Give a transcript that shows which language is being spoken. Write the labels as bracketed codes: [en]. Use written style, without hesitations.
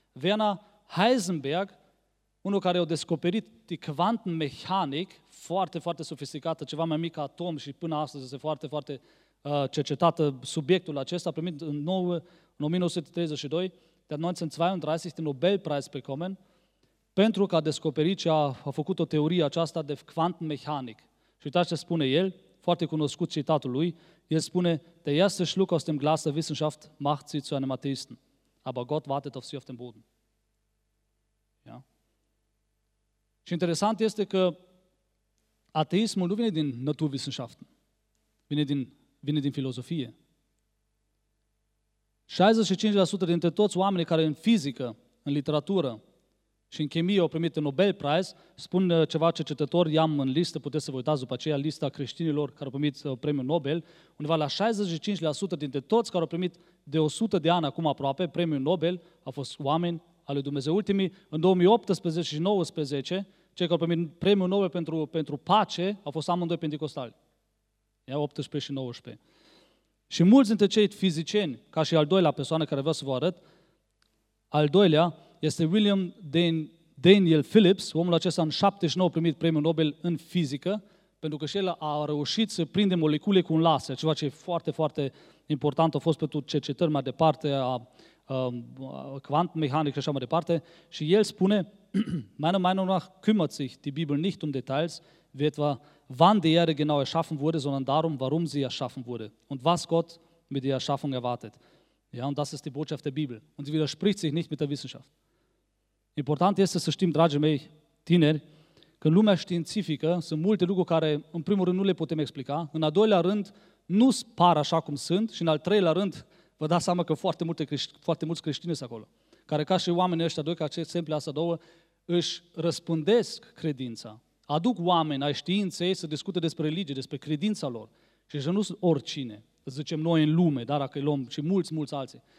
[ro] Werner Heisenberg, unul care a descoperit de quantenmechanic, foarte, foarte sofisticată, ceva mai mic atom și până astăzi este foarte, foarte cercetată subiectul acesta, a primit în 1932, [de] der 1932 den Nobelpreis bekommen, [ro] pentru că a descoperit și a făcut o teorie aceasta de quantenmechanic. Și uitați ce spune el, foarte cunoscut citatul lui, el spune, [de] der erste Schluck aus dem Glas der Wissenschaft macht sie zu einem Atheisten, aber Gott wartet auf sie auf dem Boden. Ja? [ro] Și interesant este că ateismul nu vine din naturwissenschaften, vine din filozofie. 65% dintre toți oamenii care în fizică, în literatură și în chimie au primit Nobel Prize, spun ceva cercetător, i-am în listă, puteți să vă uitați după aceea, lista creștinilor care au primit premiul Nobel, undeva la 65% dintre toți care au primit de 100 de ani acum aproape premiul Nobel, au fost oameni ale Dumnezeu. Ultimii, în 2018 și 2019, cei care au primit premiul Nobel pentru pace, au fost amândoi penticostali. Ia 18 și 19. Și mulți dintre cei fizicieni, ca și al doilea persoană care vreau să vă arăt, al doilea este William Daniel Phillips, omul acesta în 79 a primit premiul Nobel în fizică, pentru că și el a reușit să prinde molecule cu un laser, ceva ce e foarte, foarte important a fost pentru cercetări mai departe a quant mechanic și așa mai departe. Și el spune, [de] meiner Meinung nach kümmert sich die Bibel nicht um Details, wie etwa wann die Erde genau erschaffen wurde, sondern darum, warum sie erschaffen wurde und was Gott mit der Erschaffung erwartet. Ja, und das ist die Botschaft der Bibel. Und sie widerspricht sich nicht mit der Wissenschaft. [ro] Important este să știm, dragii mei tineri, că în lumea științifică sunt multe lucruri care, în primul rând, nu le putem explica, în al doilea rând, nu par așa cum sunt și în al treilea rând, vă dați seama că foarte mulți creștini sunt acolo, care ca și oamenii ăștia doi, ca și exemplele astea două, își răspândesc credința, aduc oameni ai științei să discute despre religie, despre credința lor și nu sunt oricine, zicem noi în lume, dar dacă îi luăm și mulți, mulți alții.